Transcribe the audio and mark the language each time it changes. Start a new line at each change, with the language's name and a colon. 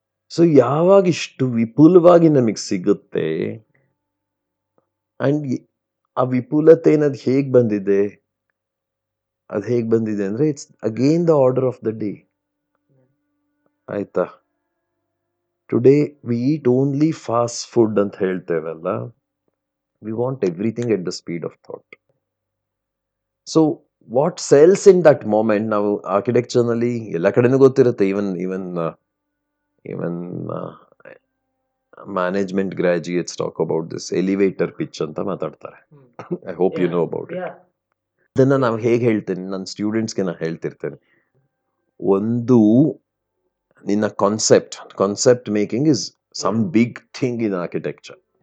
Kannada: So ಯಾವಾಗ ಇಷ್ಟು ವಿಪುಲವಾಗಿ ನಮಗೆ ಸಿಗುತ್ತೆ ಅಂಡ್ ಆ ವಿಪುಲತೆ ಅನ್ನೋದು ಹೇಗೆ ಬಂದಿದೆ ಅದು ಹೇಗೆ ಬಂದಿದೆ ಅಂದರೆ
English: it's again the order of the day
Kannada: ಆಯ್ತಾ
English: today we eat only fast food
Kannada: ಅಂತ ಹೇಳ್ತೇವಲ್ಲ
English: We want everything at the speed of thought. So, what sells in that moment? Now, architecturally,
Kannada: ಎಲ್ಲ ಕಡೆನೂ ಗೊತ್ತಿರುತ್ತೆ
English: even even management graduates talk about this elevator pitch
Kannada: ಅಂತ ಮಾತಾಡ್ತಾರೆ.
English: I hope you know about it.
Kannada: ಅದನ್ನು ನಾವು ಹೇಗೆ ಹೇಳ್ತೇನೆ, ನನ್ನ ಸ್ಟೂಡೆಂಟ್ಸ್ಗೆ ನಾನು ಹೇಳ್ತಿರ್ತೇನೆ, ಒಂದು ನಿನ್ನ concept,
English: Concept making is some big thing in architecture.